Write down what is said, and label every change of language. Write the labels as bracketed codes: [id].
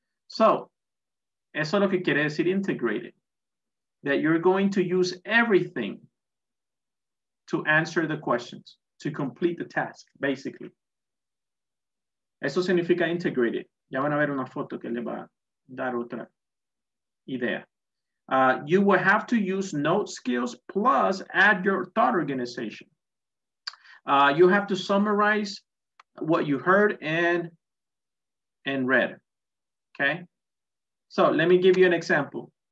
[es] So, eso es lo que quiere decir integrated. [en] That you're going to use everything to answer the questions, to complete the task, basically. [es] Eso significa integrated. Ya van a ver una foto que le va a dar otra idea. [en] You will have to use note skills plus add your thought organization. You have to summarize what you heard and read, okay? So let me give you an example.